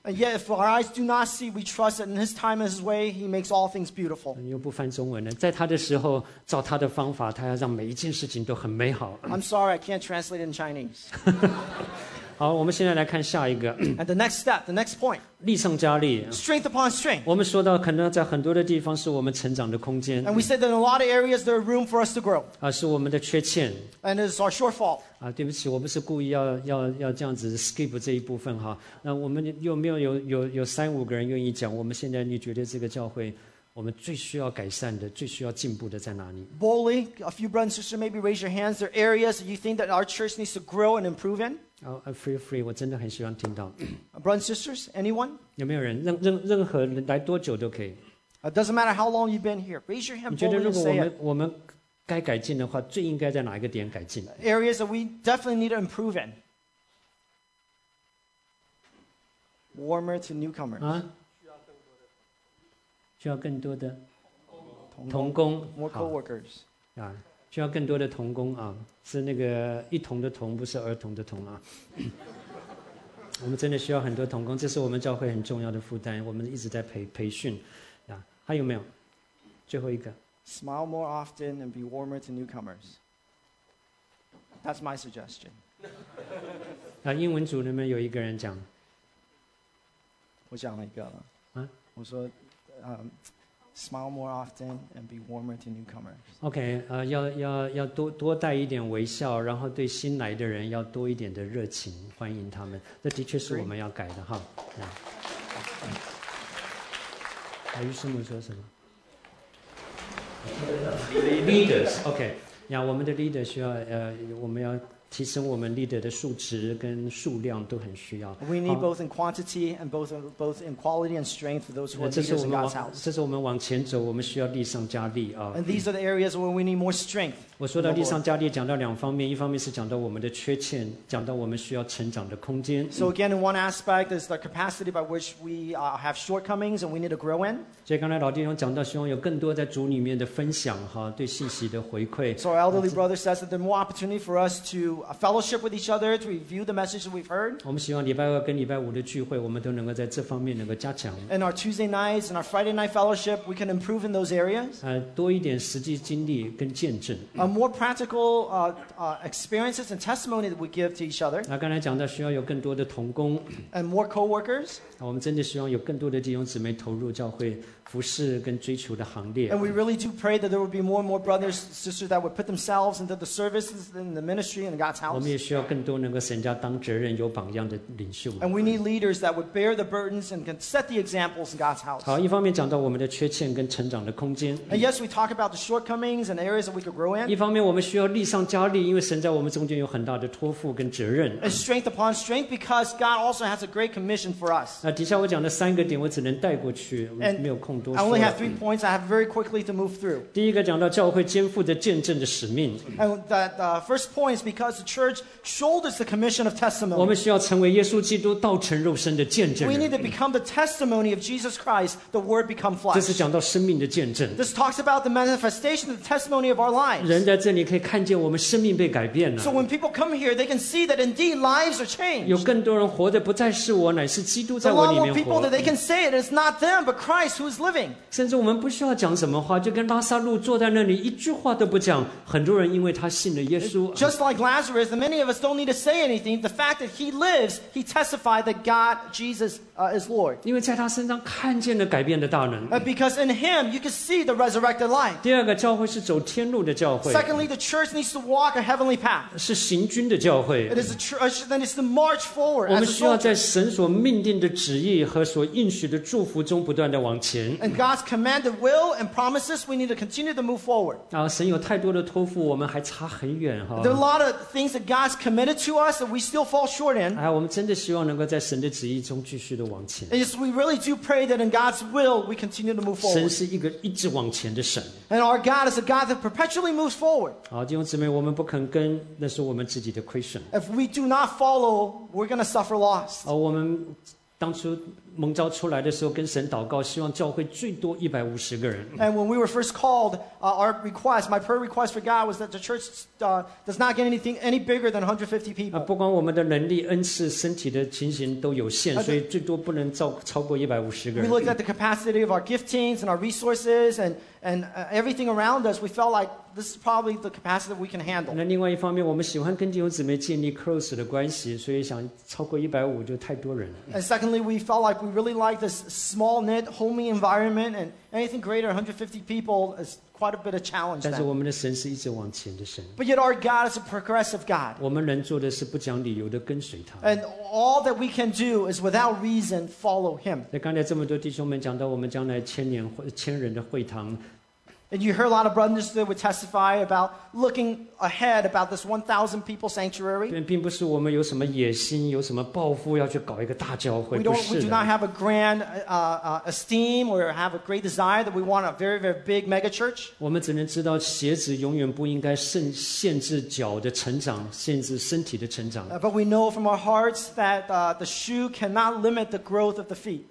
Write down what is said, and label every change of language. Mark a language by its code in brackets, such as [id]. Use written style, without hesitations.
[en] And yet, if our eyes do not see, we trust that in His time and His way, He makes all things beautiful. [zh] 又不翻中文了，在他的时候，照他的方法，他要让每一件事情都很美好。 [en] I'm sorry, I can't translate in Chinese. [zh] 好，我们现在来看下一个。 [en] And the next step, the next point. [zh] 力上加力。 [en] Strength upon strength. [zh] 我们说到，可能在很多的地方是我们成长的空间。 [en] And we said that in a lot of areas there are room for us to grow. [zh] 是我们的缺陷。 [en] And it's our shortfall. [zh] 对不起，我不是故意要这样子 skip 这一部分哈。那我们有没有有三五个人愿意讲？我们现在你觉得这个教会？我们最需要改善的、最需要进步的在哪里 [en] ？Boldly, a few brothers and sisters, maybe raise your hands. There are areas that you think that our church needs to grow and improve in. [zh] Free. 我真的很喜欢听到。 [en] Brothers and sisters, anyone? [zh] 有没有人？任何来多久都可以。 [en] It doesn't matter how long you've been here. Raise your hand. [zh] 你觉得如果我们该改进的话，最应该在哪一个点改进 [en] ？Areas that we definitely need to improve in. Warmer to newcomers. [zh] 需要更多的同工 [en] ，more coworkers [zh] 啊，需要更多的同工啊，是那个一同的同，不是儿童的童啊。我们真的需要很多同工，这是我们教会很重要的负担。我们一直在培训啊，还有没有？最后一个 [en] ，smile more often and be warmer to newcomers. That's my suggestion. [zh] 啊，英文组里面有一个人讲，我讲了一个了啊，我说。 [en] smile more often and be warmer to newcomers. [zh] Okay, 要多带一点微笑，然后对新来的人要多一点的热情，欢迎他们。这的确是我们要改的哈。啊，于师母说什么？ Leaders, OK， 呀，我们的 leader 需要，我们要提升我们 leader 的数值跟数量都很需要。 [en] We need both in quantity and both in quality and strength for those who are leaders in God's house. [zh] 这是我们往前走，我们需要力上加力啊。 [en] And these are the areas where we need more strength. [zh] 我说到力上加力，讲到两方面，一方面是讲到我们的缺欠，讲到我们需要成长的空间。 [en] So again, in one aspect is the capacity by which we have shortcomings and we need to grow in. [zh] 所以刚才老弟兄讲到，希望有更多在组里面的分享哈，对信息的回馈。 [en] So our elderly brother says that there's more opportunity for us to a fellowship with each other to review the message that we've heard. [zh] 我们希望礼拜二跟礼拜五的聚会，我们都能够在这方面能够加强。 [en] And our Tuesday nights and our Friday night fellowship, we can improve in those areas. [zh] 多一点实际经历跟见证。 [en] More practical experiences and testimony that we give to each other. [zh] 刚才讲到需要有更多的同工。 [en] And more co-workers. [zh] 我们真的希望有更多的弟兄姊妹投入教会。服事跟追求的行列。 [en] And we really do pray that there would be more and more brothers and sisters that would put themselves into the services and the ministry in God's house. [zh] 我们也需要更多能够神家当责任有榜样的领袖。 [en] And we need leaders that would bear the burdens and can set the examples in God's house. [zh] 好，一方面讲到我们的缺陷跟成长的空间。 [en] And yes, we talk about the shortcomings and the areas that we could grow in. [zh] 一方面我们需要力上加力，因为神在我们中间有很大的托付跟责任。 [en] And strength upon strength because God also has a great commission for us. [zh] 底下我讲的三个点我只能带过去，没有空。 [en] I only have three points. I have very quickly to move through. [zh] 第一个讲到教会肩负着见证的使命。 [en] And that first point is because the church shoulders the commission of testimony. [zh] 我们需要成为耶稣基督道成肉身的见证人。 [en] We need to become the testimony of Jesus Christ, the Word become flesh. [zh] 这是讲到生命的见证。 [en] This talks about the manifestation, the testimony of our lives. [zh] 人在这里可以看见我们生命被改变了。 [en] So when people come here, they can see that indeed lives are changed. [zh] 有更多人活的不再是我，乃是基督在我里面活。 [en] A lot more people that they can say it is not them, but Christ who is living. [zh] 甚至我们不需要讲什么话，就跟拉撒路坐在那里，一句话都不讲。很多人因为他信了耶稣。 [en] Just like Lazarus, many of us don't need to say anything. The fact that he lives, he testified that God, Jesus, is Lord. [zh] 因为在他身上看见了改变的大能。 [en] Because in him, you can see the resurrected life. [zh] 第二个，教会是走天路的教会。 [en] Secondly, the church needs to walk a heavenly path. [zh] 是行军的教会。 [en] It is a church that is to march forward. [zh] 我们需要在神所命定的旨意和所应许的祝福中不断地往前。 [en] And God's commanded will and promises, we need to continue to move forward. [zh] 神有太多的托付，我们还差很远哈。 [en] There are a lot of things that God's committed to us that we still fall short in. [zh] 我们真的希望能够在神的旨意中继续的往前。 [en] And yes, we really do pray that in God's will, we continue to move forward. [zh] 神是一个一直往前的神。 [en] And our God is a God that perpetually moves forward. [zh] 弟兄姊妹，我们不肯跟，那是我们自己的亏损。 [en] If we do not follow, we're going to suffer loss. [zh] 我们当初蒙召出来的时候跟神祷告希望教会最多150个人 [en] And when we were first called our request my prayer request for God was that the church does not get anything any bigger than 150 people [zh] 不管我们的能力恩赐身体的情形都有限所以最多不能超过150个人 [en] We looked at the capacity of our giftings and our resources and everything around us we felt like this is probably the capacity that we can handle [zh] 那另外一方面我们喜欢跟弟兄姊妹建立 close 的关系所以想超过150就太多人 [en] And secondly we felt like we really like this small knit homey environment and anything greater 150 people is quite a bit of challenge [zh] 但是我们的神是一直往前的神 [en] But yet our God is a progressive God [zh] 我们能做的是不讲理由的跟随他 [en] And all that we can do is without reason follow him [zh] 那刚才这么多弟兄们讲到我们将来千人的会堂 [en] And you heard a lot of brothers that would testify about looking ahead about this 1,000 people sanctuary. [zh] 并不是我们有什么野心，有什么抱负要去搞一个大教会。 [en] We do not have a grand esteem or have a great desire that we want a very, very big mega church. [zh] 我们只能知道鞋子永远不应该限制脚的成长，限制身体的成长。 [en] But we know from our hearts that the shoe cannot limit the growth of the feet.